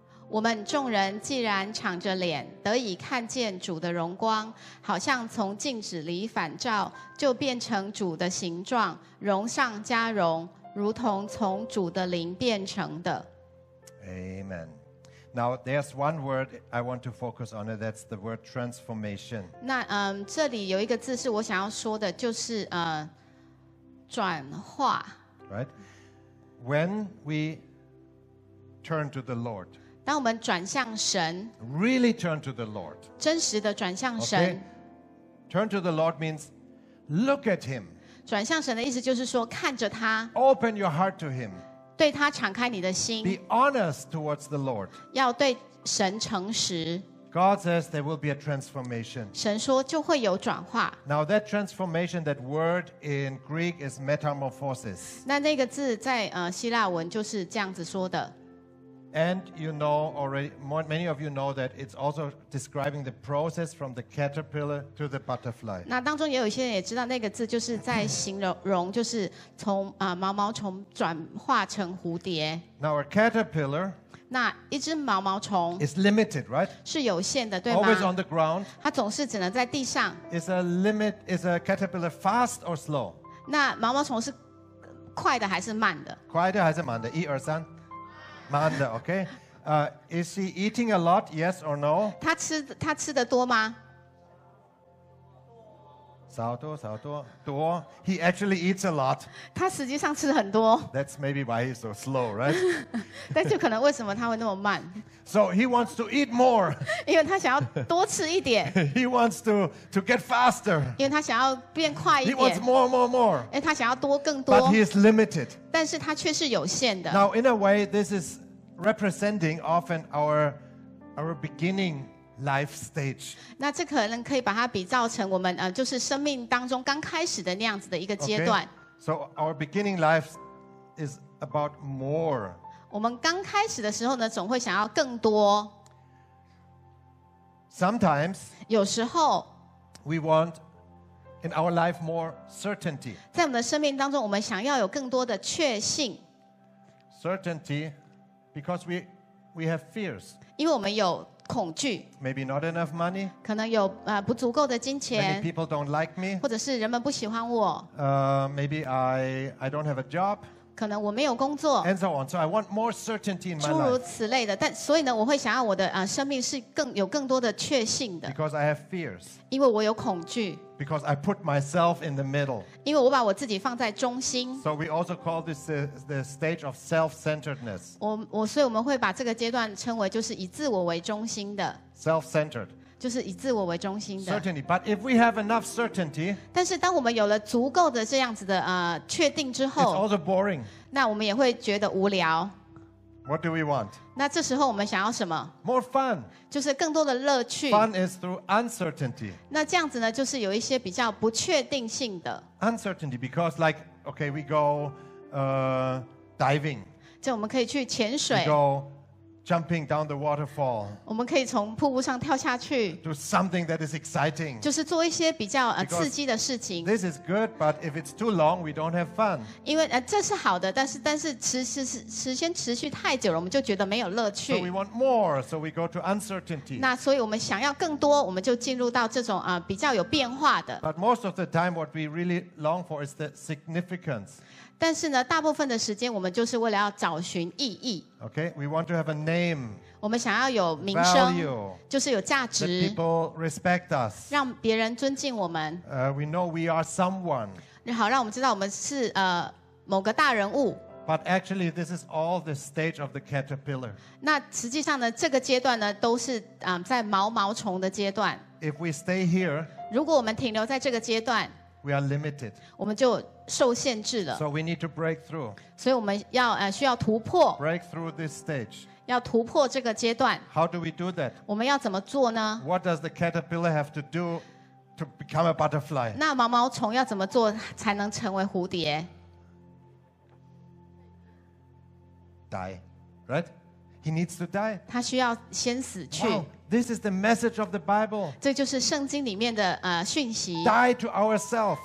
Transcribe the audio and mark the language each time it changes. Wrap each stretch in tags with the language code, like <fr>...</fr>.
<zh>我们众人既然敞着脸，得以看见主的荣光，好像从镜子里反照，就变成主的形状，荣上加荣，如同从主的灵变成的。</zh> <en>Amen. Now there's one word I want to focus on, and that's the word transformation.</en> <zh>那这里有一个字是我想要说的，就是转化。</zh> <en>Right. When we turn to the Lord.</en> <zh>当我们转向神。</zh> <en>Really turn to the Lord.</en> <zh>真实的转向神。</zh> <en>Okay. Turn to the Lord means look at Him.</en> <zh>转向神的意思就是说看着他。</zh> <en>Open your heart to Him.</en> <zh>对他敞开你的心。</zh> <en>Be honest towards the Lord.</en> <zh>要对神诚实。</zh> <en>God says there will be a transformation.</en> <zh>神说就会有转化。</zh> <en>Now that transformation, that word in Greek is metamorphosis.</en> <zh>那个字在希腊文就是这样子说的。</zh> <en>And you know already, many of you know that it's also describing the process from the caterpillar to the butterfly.</en> <zh>那当中也有一些人也知道那个字就是在形容，就是从毛毛虫转化成蝴蝶。</zh> <en>Now a caterpillar.</en> <zh>那一只毛毛虫</zh> <en>is limited, right?</en> <zh>是有限的，对吗</zh> <en>？Always on the ground.</en> <zh>它总是只能在地上。</zh> <en>Is a caterpillar fast or slow?</en> <zh>那毛毛虫是快的还是慢的？快的还是慢的？一二三。</zh> <en>Manda, okay. Is he eating a lot? Yes or no?</en> <zh>他吃的多吗？少多多。</zh> <en>He actually eats a lot.</en> <zh>他实际上吃很多。</zh> <en>That's maybe why he's so slow, right?</en> <zh>但就可能为什么他会那么慢。</zh> <en>So he wants to eat more.</en> <zh>因为他想要多吃一点。</zh> <en>He wants to get faster.</en> <zh>因为他想要变快一点。</zh> <en>He wants more.</en> <zh>因为他想要多更多。</zh> <en>But he is limited.</en> <zh>但是他却是有限的。</zh> <en>Now, in a way, this is representing often our beginning. Life stage.</en> <zh>那这可能可以把它比照成我们就是生命当中刚开始的那样子的一个阶段。</zh> <en>Okay. So our beginning life is about more.</en> <zh>我们刚开始的时候呢，总会想要更多。</zh> <en>Sometimes.</en> <zh>有时候。</zh> <en>We want in our life more certainty.</en> <zh>在我们的生命当中，我们想要有更多的确信。</zh> <en>Certainty, because we have fears.</en> <zh>因为我们有。恐惧</zh> <en>Maybe not enough money.</en> <zh>可能有不足够的金钱</zh> <en>Maybe people don't like me.</en> <zh>或者是人们不喜欢我</zh> <en>Maybe I don't have a job.</en> <zh>可能我没有工作</zh> <en>And so on. So I want more certainty in my life.</en> <zh>诸如此类的但所以呢我会想要我的生命是更有更多的确信的</zh> <en>Because I have fears.</en> <zh>因为我有恐惧</zh> <en>Because I put myself in the middle.</en> <zh>因为我把我自己放在中心</zh> <en>So we also call this the stage of self-centeredness.</en> <zh>所以我们会把这个阶段称为就是以自我为中心的</zh> <en>Self-centered.</en> <zh>就是以自我为中心的。</zh> <en>Certainty, but if we have enough certainty,</en> <zh>但是当我们有了足够的这样子的确定之后</zh> <en>，it's also boring.</en> <zh>那我们也会觉得无聊。</zh> <en>What do we want?</en> <zh>那这时候我们想要什么</zh> <en>？More fun.</en> <zh>就是更多的乐趣。</zh> <en>Fun is through uncertainty.</en> <zh>那这样子呢，就是有一些比较不确定性的。</zh> <en>Uncertainty, because like, okay, we go, diving.</en> <zh>就我们可以去潜水。</zh> <en>We go jumping down the waterfall.</en> <zh>我们可以从瀑布上跳下去。</zh> <en>Do something that is exciting.</en> <zh>就是做一些比较刺激的事情。</zh> <en>This is good, but if it's too long, we don't have fun.</en> <zh>因为这是好的，但是持续太久了，我们就觉得没有乐趣。</zh> <en>So we want more, so we go to uncertainty.</en> <zh>那所以我们想要更多，我们就进入到这种比较有变化的。</zh> <en>But most of the time, what we really long for is the significance.</en> <zh>但是呢，大部分的时间我们就是为了要找寻意义。</zh> <en>Okay, we want to have a name.</en> <zh>我们想要有名声，</zh> <en>value,</en> <zh>就是有价值。</zh> <en>That people respect us.</en> <zh>让别人尊敬我们。</zh> <en>We know we are someone.</en> <zh>好，让我们知道我们是某个大人物。</zh> <en>But actually, this is all the stage of the caterpillar.</en> <zh>那实际上呢，这个阶段呢，都是在毛虫的阶段。</zh> <en>If we stay here,</en> <zh>如果我们停留在这个阶段。</zh> <en>We are limited.</en> <zh>我们就受限制了。</zh> <en>So we need to break through.</en> <zh>所以我们要需要突破。</zh> <en>Break through this stage.</en> <zh>要突破这个阶段。</zh> <en>How do we do that?</en> <zh>我们要怎么做呢？</zh> <en>What does the caterpillar have to do to become a butterfly?</en> <zh>那毛毛虫要怎么做才能成为蝴蝶？</zh> <en>Die, right? He needs to die.</en> <zh>他需要先死去。</zh> <en>Wow. This is the message of the Bible.</en> <zh>这就是圣经里面的讯息。</zh> <en>Die to ourselves.</en>